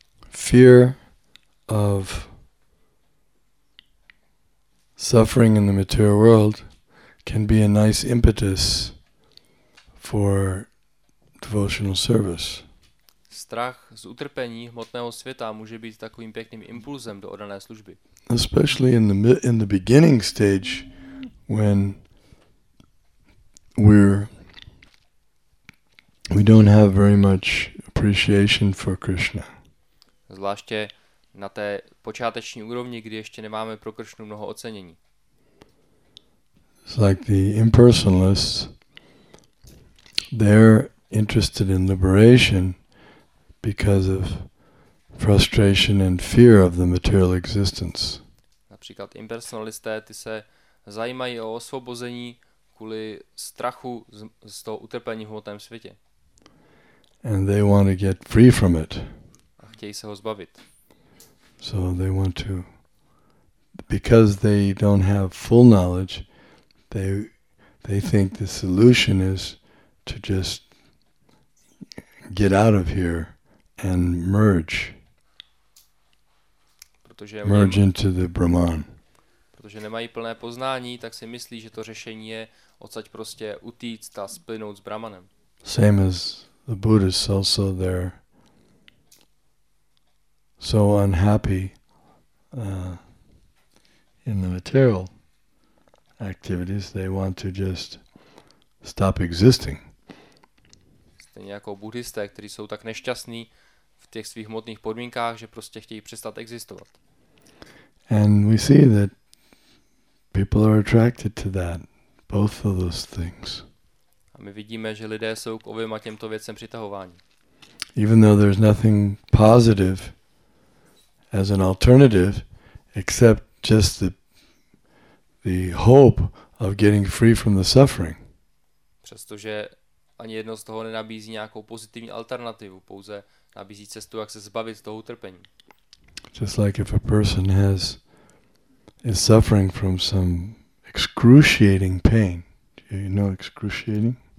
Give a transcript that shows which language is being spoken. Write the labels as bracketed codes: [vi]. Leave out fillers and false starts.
[en] Fear of suffering in the material world can be a nice impetus for devotional service. [cs] Strach z utrpení hmotného světa může být takovým pěkným impulzem do oddané služby. [en] Especially in the beginning stage when we don't have very much appreciation for Krishna. [cs] Zvláště na té počáteční úrovni, kdy ještě nemáme pro Kršnu mnoho ocenění. [en] It's like the impersonalists, they're interested in liberation because of frustration and fear of the material existence. [cs] Například impersonalisté, ty se zajímají o osvobození kvůli strachu z toho utrpení v hmotném světě. [en] And they want to get free from it. [cs] A chtějí se ho zbavit. [en] So they want to, because they don't have full knowledge, they think the solution is to just get out of here and merge into the Brahman. [cs] Protože nemají plné poznání, tak si myslí, že to řešení je odsaď prostě utíct a splynout s Brahmanem. [en] Same as the Buddhists also, they're so unhappy in the material activities, they want to just stop existing. [cs] Stejně jako buddhisté, kteří jsou tak nešťastní v těch svých hmotných podmínkách, že prostě chtějí přestat existovat. [en] And we see that people are attracted to that, both of those things. [cs] My vidíme, že lidé jsou k oběma těmto věcem přitahováni. [en] Even though there's nothing positive as an alternative except just the hope of getting free from the suffering. [cs] Přestože ani jedno z toho nenabízí nějakou pozitivní alternativu, pouze nabízí cestu, jak se zbavit toho utrpení. [en] Just like if a person is suffering from some excruciating pain. Do you know excruciating?